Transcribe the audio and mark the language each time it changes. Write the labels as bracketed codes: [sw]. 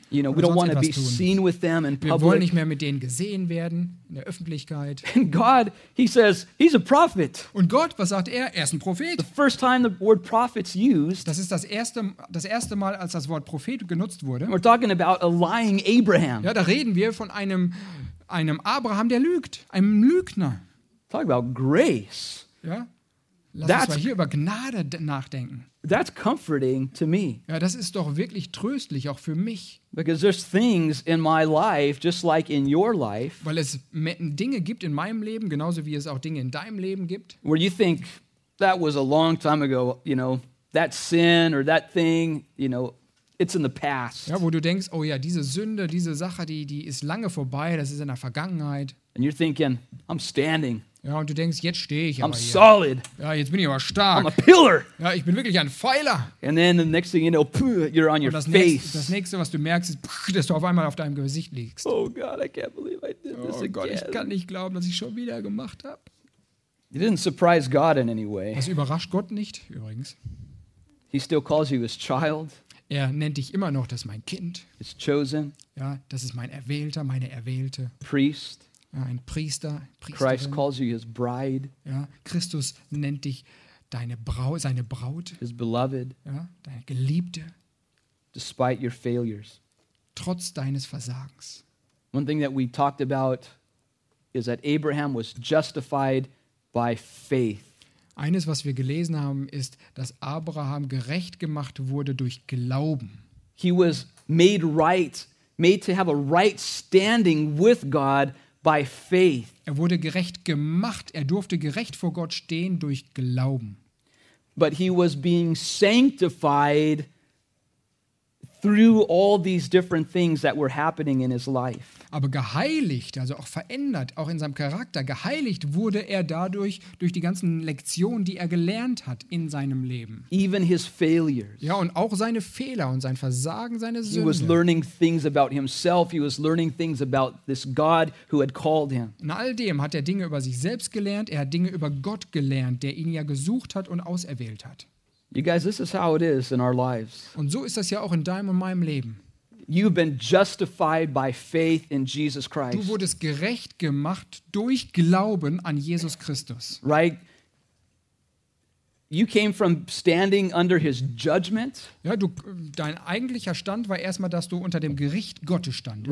[en] You know, we don't want to be seen with them in public. [de] Wir wollen nicht mehr mit denen gesehen werden in der Öffentlichkeit. [en] And God, he says, he's a prophet. [de] Und Gott, was sagt er? Er ist ein Prophet. [en] The first time the word prophet's used. [de] Das ist das erste Mal, als das Wort Prophet genutzt wurde. [en] We're talking about a lying Abraham. [de] Ja, reden wir von einem Abraham, der lügt, einem Lügner. [en] Talk about grace. [de] Ja? Lass uns mal hier über Gnade nachdenken. [en] That's comforting to me. [de] Ja, das ist doch wirklich tröstlich auch für mich. [en] Because there's things in my life just like in your life. [de] Weil es Dinge gibt in meinem Leben, genauso wie es auch Dinge in deinem Leben gibt. [en] Where you think that was a long time ago, you know, that sin or that thing, you know, it's in the past. [de] Ja, wo du denkst, oh ja, diese Sünde, diese Sache, die ist lange vorbei, das ist in der Vergangenheit. [en] And you're thinking, I'm standing. [de] Ja, und du denkst, jetzt stehe ich aber hier. [en] I'm solid. [de] Ja, jetzt bin ich aber stark. [en] I'm a pillar. [de] Ja, ich bin wirklich ein Pfeiler. [en] And then the next thing you know, you're on your face. [de] Das nächste, was du merkst, ist, dass du auf einmal auf deinem Gesicht liegst. [en] Oh God, I can't believe I did this again. [de] Oh Gott, ich kann nicht glauben, dass ich schon wieder gemacht habe. [en] It didn't surprise God in any way. [de] Das überrascht Gott nicht, übrigens. [en] He still calls you his child. [de] Er nennt dich immer noch, das ist mein Kind. [en] It's chosen. [de] Ja, das ist mein Erwählter, meine Erwählte. [en] Priest. [de] Ja, ein Priester, Priesterin. [en] Christ calls you his bride. [de] Ja, Christus nennt dich seine Braut. [en] His beloved. [de] Ja, deine Geliebte. [en] Despite your failures. [de] Trotz deines Versagens. [en] One thing that we talked about is that Abraham was justified by faith. [de] Eines, was wir gelesen haben, ist, dass Abraham gerecht gemacht wurde durch Glauben. [en] He was made right, made to have a right standing with God by faith. [de] Er wurde gerecht gemacht, er durfte gerecht vor Gott stehen durch Glauben. [en] But he was being sanctified through all these different things that were happening in his life. [de] Aber geheiligt, also auch verändert, auch in seinem Charakter, geheiligt wurde er dadurch, durch die ganzen Lektionen, die er gelernt hat in seinem Leben. [en] Even his failures. [de] Ja, und auch seine Fehler und sein Versagen, seine Sünde. [en] He was learning things about himself, he was learning things about this God who had called him. [de] In all dem hat er Dinge über sich selbst gelernt, er hat Dinge über Gott gelernt, der ihn ja gesucht hat und auserwählt hat. [en] You guys, this is how it is in our lives. [de] Und so ist das ja auch in deinem und meinem Leben. [en] You've been justified by faith in Jesus Christ. [de] Du wurdest gerecht gemacht durch Glauben an Jesus Christus. [en] Right? You came from standing under his judgment. [de] Ja, dein eigentlicher Stand war erstmal, dass du unter dem Gericht Gottes standest.